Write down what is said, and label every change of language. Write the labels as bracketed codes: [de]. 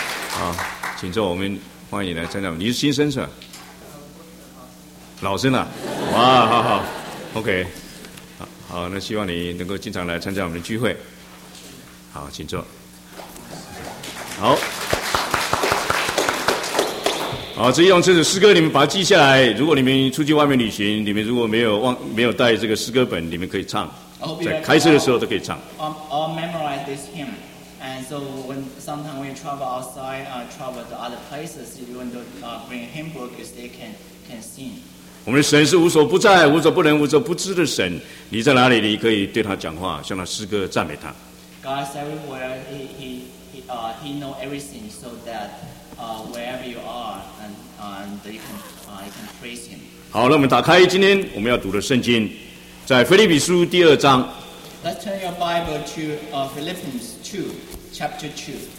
[zh] 好，请坐，我们欢迎你来参加。你是新生是吧？老生了、啊，哇，好好 ，OK， 好，那希望你能够经常来参加我们的聚会。好，请坐。好，好，这一样这首诗歌，你们把它记下来。如果你们出去外面旅行，你们如果没有带这个诗歌本，你们可以唱，在开车的时候都可以唱。 [en] I'll memorize this hymn, and so when sometimes when you travel outside, travel to other places, you want to bring a hymn book, is they can sing. [zh] 我们的神是无所不在、无所不能、无所不知的神。你在哪里，你可以对他讲话，向他诗歌赞美他。 [en] God is everywhere. He knows everything, so that wherever you are, and you can praise him. [zh] 好，那我们打开今天我们要读的圣经，在腓立比书第二章。 [en] Let's turn your Bible to Philippians 2, chapter 2.